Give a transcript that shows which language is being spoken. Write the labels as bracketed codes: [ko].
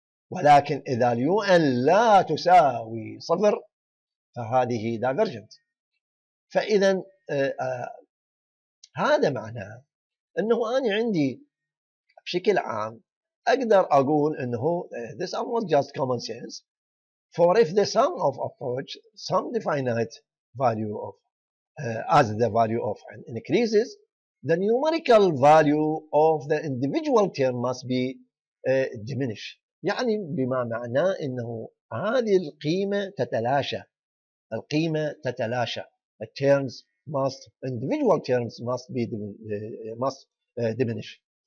[ar] ولكن اذا اليو ان لا تساوي صفر فهذه دايفرجنت. فاذا هذا معناه انه انا عندي بشكل عام اقدر اقول انه [en] this almost just common sense. For if the sum of approach some definite value of as the value of n increases, the numerical value of the individual term must be diminished. [ar] يعني بما معناه إنه هذه القيمة تتلاشى. [en] The terms must individual terms must be must diminish.